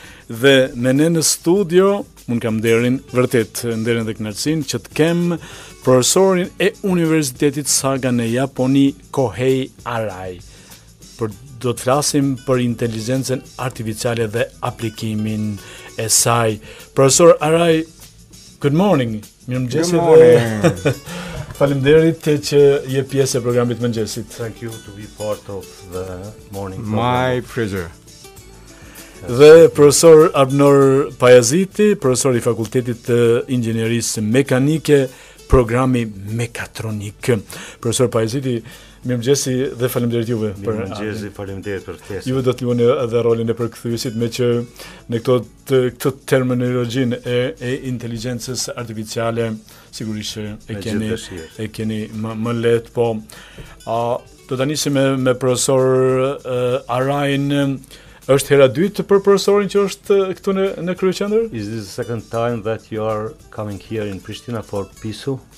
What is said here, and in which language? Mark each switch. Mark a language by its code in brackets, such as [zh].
[sq] Dhe me ne në studio, unë kam nderin, vërtet nderin dhe kënaqësinë që të kem profesorin e Universitetit Saga në Japoni, Kohei Arai. Do të flasim për inteligjencën artificiale dhe aplikimin e saj. [en] Profesor Arai, good morning. [sq] Mirëmëngjes. [en] Good morning. [sq] Faleminderit që je pjesë e programit mëngjesit. [en] Thank you to be part of the morning program. My pleasure. [sq] Dhe profesor Abnor Pajaziti, profesor i Fakultetit të Inxhinierisë Mekanike, programi mekatronik. Profesor Pajaziti, mirëmëngjesi dhe faleminderit juve. Mirëmëngjesi, faleminderit për ftesën. Juve do të luani edhe rolin e përkthyesit, meqë në këtë terminologjinë e inteligjencës artificiale sigurisht e keni më lehtë, po do ta nisim me profesor Arain. Është hera dytë për profesorin që është këtu në kryeqendër? [en] Is this the second time that you are coming here in Pristina for PISU?